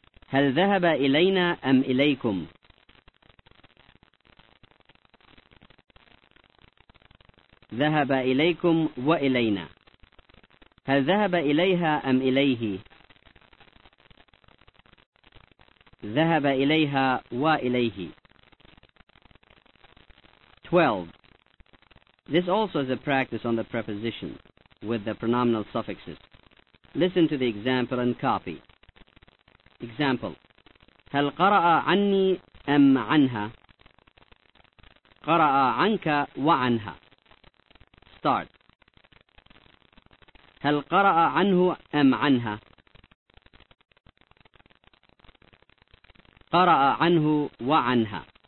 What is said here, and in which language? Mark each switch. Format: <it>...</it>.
<ar>هل ذهب إلينا أم إليكم؟ ذهب إليكم وإلينا. هل ذهب إليها أم إليه؟ ذهب إليها وإليه.</ar> <en>12. This also is a practice on the preposition with the pronominal suffixes. Listen to the example and copy. Example.</en> <ar>هل قرأ عني أم عنها؟ قرأ عنك وعنها.</ar> <en>Start.</en> <ar>هل قرأ عنه أم عنها؟ قرأ عنه وعنها.</ar>